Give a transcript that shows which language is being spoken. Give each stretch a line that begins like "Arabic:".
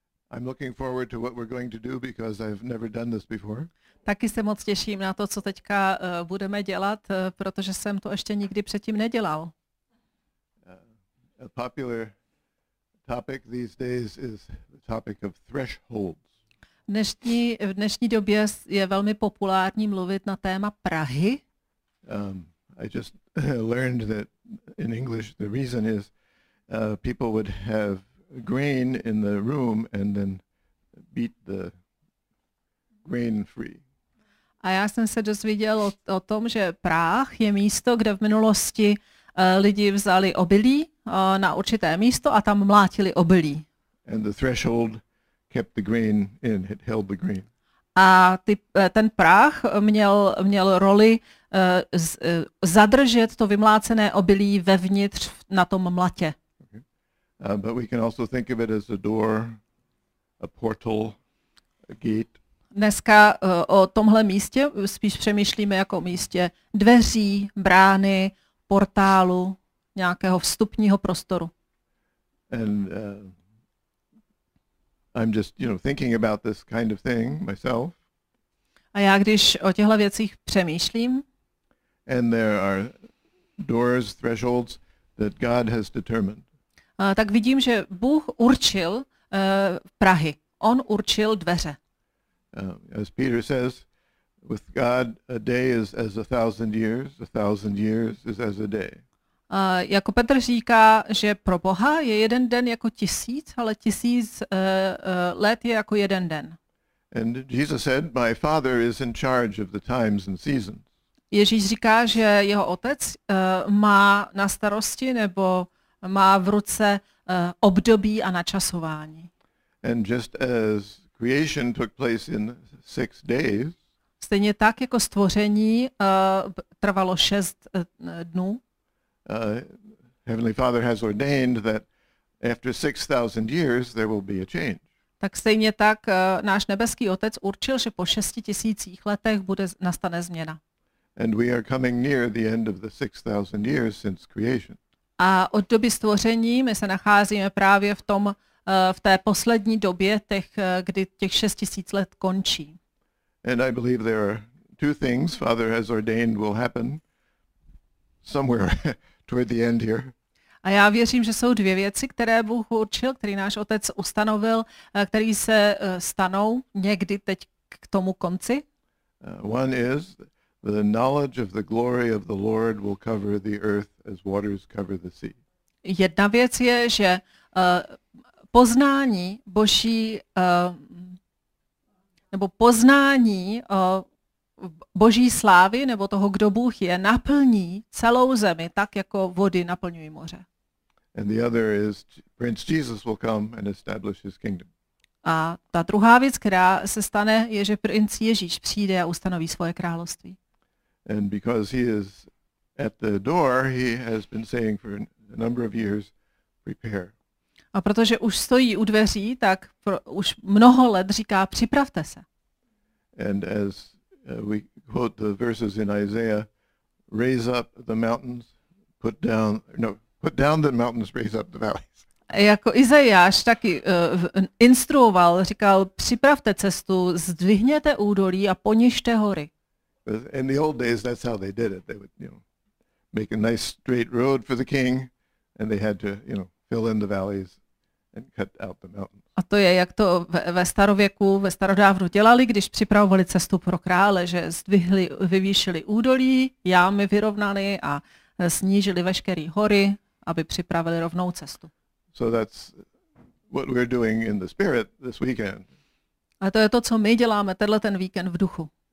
English: I'm looking forward to what we're going to do because I've never done this before.
Czech: Taky se moc těším na to, co teďka budeme dělat, protože jsem to ještě nikdy předtím nedělal.
English: A popular topic these days is the topic of thresholds.
Czech: V dnešní době je velmi populární mluvit na téma Prahy.
English: I just learned that in English the reason is people would have grain in the room and then beat the grain free.
Czech: A já jsem se dozvěděl o tom, že práh je místo, kde v minulosti lidi vzali obilí na určité místo a tam mlátili obilí.
English: And the threshold kept the grain in, it held the grain.
Czech: A ten práh měl roli zadržet to vymlácené obilí vevnitř na tom mlatě.
English: But we can also think of it as a door, a portal, a gate.
Czech: Dneska o tomhle místě spíš přemýšlíme jako o místě dveří, brány, portálu, nějakého vstupního prostoru.
English: And I'm just, you know, thinking about this kind of thing myself.
Czech: A já když o těchto věcích přemýšlím.
English: And there are doors, thresholds that God has determined.
Czech: Tak vidím, že Bůh určil Prahy. On určil dveře.
English: As Peter says, with God a day is as a thousand years is as a day.
Czech: Jako Petr říká, že pro Boha je jeden den jako tisíc, ale tisíc let je jako jeden den.
English: And Jesus said, my father is in charge of the times and seasons.
Czech: Ježíš říká, že jeho otec má na starosti nebo má v ruce období a načasování.
English: And just as creation took place in six days,
Czech: stejně tak jako stvoření trvalo šest dnů.
English: Heavenly Father has ordained that after 6,000 years there will be a change.
Czech: Tak stejně tak náš nebeský otec určil, že po 6,000 letech nastane změna.
English: And we are coming near the end of the 6,000 years since creation.
Czech: A od doby stvoření my se nacházíme právě v tom, v té poslední době, kdy těch 6,000 let končí.
English: And I believe there are two things Father has ordained will happen somewhere toward the end here.
Czech: A já věřím, že jsou dvě věci, které Bůh určil, které náš otec ustanovil, které se stanou někdy teď k tomu konci.
English: One is the knowledge of the glory of the Lord will cover the earth as waters cover the sea.
Czech: Jedna věc je, že poznání Boží nebo poznání Boží slávy nebo toho, kdo Bůh je, naplní celou zemi tak jako vody naplňují moře.
English: And the other is Prince Jesus will come and establish his kingdom.
Czech: A ta druhá věc, která se stane, je, že princ Ježíš přijde a ustanoví svoje království.
English: And because he is at the door, he has been saying for a number of years, prepare.
Czech: A protože už stojí u dveří, tak už mnoho let říká, připravte se.
English: And as we quote the verses in Isaiah, raise up the mountains, put down the mountains, raise up the valleys.
Czech: Jako Izajáš taky instruoval, říkal, připravte cestu, zdvihněte údolí a ponižte hory.
English: In the old days, that's how they did it. They would, you know, make a nice straight road for the king, and they had to, you know, fill in the valleys and cut out the mountains.
Czech: A to je, jak to ve starověku, ve starodávru dělali, když připravovali cestu pro krále, že zdvihli, vyvýšili údolí, jámy vyrovnali a snížili veškeré hory, aby připravili rovnou cestu.
English: So that's what we're doing in the spirit this weekend.
Czech: A to je to, co my děláme tenhle ten víkend v duchu.